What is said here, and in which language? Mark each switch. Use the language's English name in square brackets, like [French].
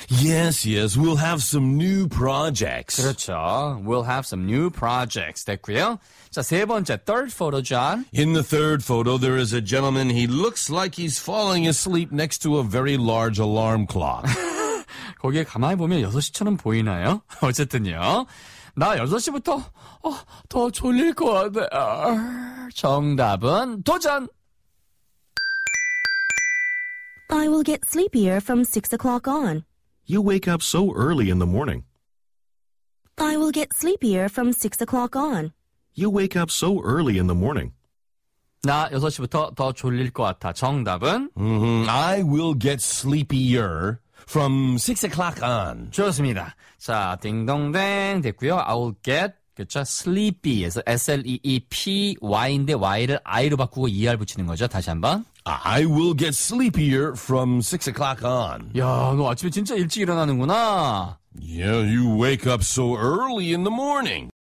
[English] Yes, yes. We'll have some new projects. [Korean] 그렇죠. [English] We'll have some new projects. [Korean] 됐고요. 자, 세 번째, [English] third photo, [Korean] John. [English] In the third photo, there is a gentleman. He looks like he's falling asleep next to a very large alarm clock. [Korean] 거기에 가만히 보면 6시처럼 보이나요? 어쨌든요. 나 6시부터 더 졸릴 것 같아. 정답은 도전! [English] I will get sleepier from 6 o'clock on. You wake up so early in the morning. I will get sleepier from 6 o'clock on. You wake up so early in the morning. [Korean] 나 6시부터 더 졸릴 것 같아. 정답은? [English] I will get sleepier from 6 o'clock on. [Korean] 좋습니다. 자, 딩동댕 됐고요. [English] I will get, [Korean] 그쵸? [English] sleepy. [Korean] 그래서 S-L-E-E-P-Y인데 Y를 I로 바꾸고 ER 붙이는 거죠. 다시 한번. [English] I will get sleepier from 6 o'clock on. [Korean] 야, 너 아침에 진짜 일찍 일어나는구나. [English] Yeah, you wake up so early in the morning.